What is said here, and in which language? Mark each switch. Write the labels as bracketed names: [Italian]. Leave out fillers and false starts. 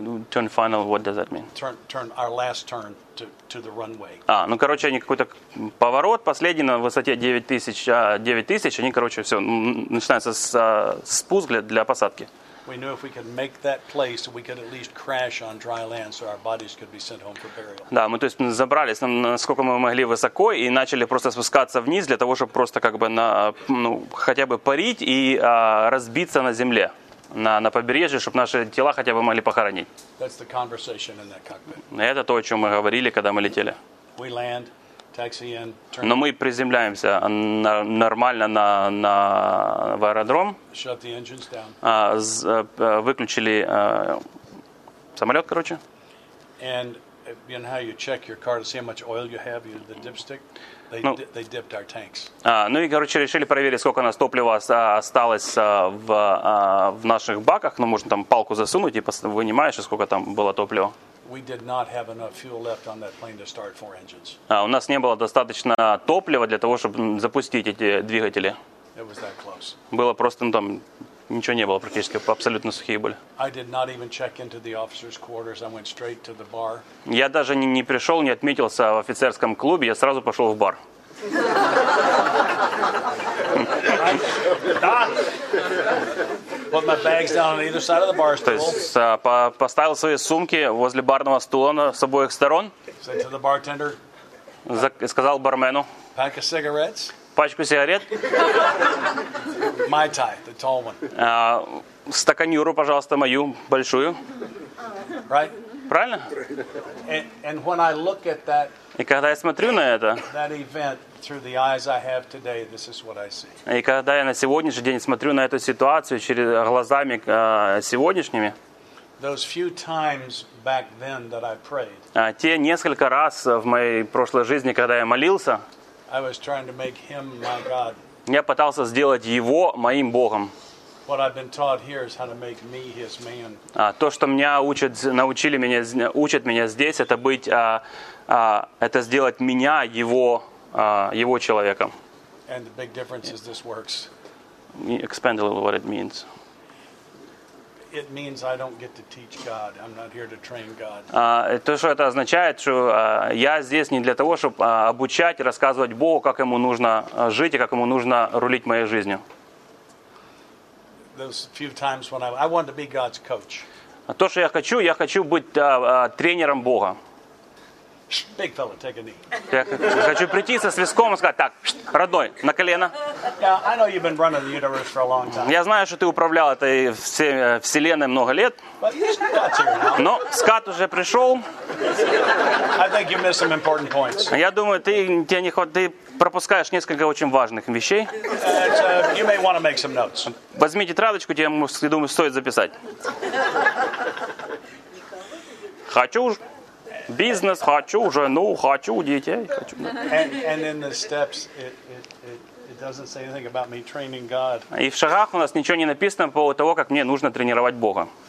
[English] Turn final, what does that mean? Turn our last turn to the runway. [Russian] Короче, они какой-то поворот последний на высоте 9000, они, короче, все, начинается спуск для посадки. [English] We knew if we could make that place, we could at least crash on dry land, so our bodies could be sent home for burial. [Russian] Да, мы то есть забрались насколько мы могли высоко и начали просто спускаться вниз для того, чтобы просто как бы хотя бы парить и разбиться на земле на побережье, чтобы наши тела хотя бы могли похоронить. [English] That's the conversation in that cockpit. [Russian] Это то, о чем мы говорили, когда мы летели. [English] We land, taxi in. [Russian] Но мы приземляемся нормально на в аэродром. [English] Shut the engines down. [Russian] Выключили самолет, короче. [English] And you know how you check your car to see how much oil you have, you the dipstick? They dipped our tanks. [Russian] Ну и, короче, решили проверить, сколько у нас топлива осталось в наших баках. Ну, можно там палку засунуть и вынимаешь, сколько там было топлива. [English] We did not have enough fuel left on that plane to start four engines. [Russian] У нас не было достаточно топлива для того, чтобы запустить эти двигатели. [English] It was that close. [Russian] Было просто, ну, там ничего не было практически, абсолютно сухие были. [English] I did not even check into the officers' quarters. I went straight to the bar. [Russian] Я даже не пришел, не отметился в офицерском клубе, я сразу пошел в бар. [English] Put my bags down on either side of the bar stool. [Russian] То есть поставил свои сумки возле барного стула на с обоих сторон. [English] Said to the bartender. [Russian] Сказал бармену. [English] Pack of cigarettes. [Russian] Пачку сигарет. [English] Mai Tai, the tall one. [Russian] Стаканюру, пожалуйста, мою большую. [English] Right. [Russian] Правильно? [English] And when I look at that. [Russian] И когда я смотрю на это. [English] That event. Through the eyes I have today, this is what I see. [Russian] И когда я на сегодняшний день смотрю на эту ситуацию через глазами сегодняшними, [English] those few times back then that I prayed, [Russian] те несколько раз в моей прошлой жизни, когда я молился, [English] I was trying to make him my God. [Russian] Я пытался сделать его моим Богом. [English] What I've been taught here is how to make me his man. [Russian] То, что меня учат, научили меня, учат меня здесь, это быть, это сделать меня его. Его человеком. [English] And the big difference is this works. Expand a little what it means. It means I don't get to teach God. I'm not here to train God. [Russian] То, что это означает, что я здесь не для того, чтобы обучать, рассказывать Богу, как ему нужно жить и как ему нужно рулить моей жизнью. [English] Those few times when I want to be God's coach. [Russian] То, что я хочу быть тренером Бога. [English] Big fella, take a knee. [Russian] Я хочу прийти со свистком и сказать: так, родной, на колено. [English] Now, I know you've been running the universe for a long time. [Russian] Я знаю, что ты управлял этой вселенной много лет. [English] But you should got here now. [Russian] Но Скат уже пришел. [English] I think you missed some important points. [Russian] Я думаю, ты пропускаешь несколько очень важных вещей. [English] So you may want to make some notes. [Russian] Возьми тетрадочку, тебе, думаю, стоит записать. Хочу уж. Бизнес хочу, жену хочу, детей хочу. [English] And in the steps, it doesn't say anything about me training God. [Russian] И в шагах у нас ничего не написано по поводу того, как мне нужно тренировать Бога.